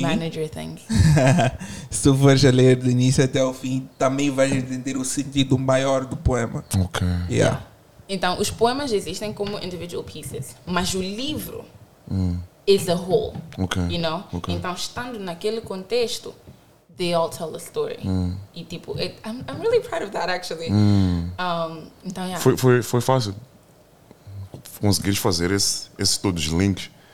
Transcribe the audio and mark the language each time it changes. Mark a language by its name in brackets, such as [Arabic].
[English] Manager thing. [Portuguese] Se tu fores a ler do início até o fim, também vais entender o sentido maior do poema. [English] Ok. Yeah. Yeah. [Portuguese] Então, os poemas existem como [English] individual pieces, [Portuguese] mas o livro [English] is a whole. Ok. You know? Okay. [Portuguese] Então, estando naquele contexto, [English] they all tell a story. Mm. [Portuguese] E tipo, [English] I'm really proud of that, actually. Mm. [Portuguese] Então, yeah. Foi fácil conseguir fazer esses todos os links?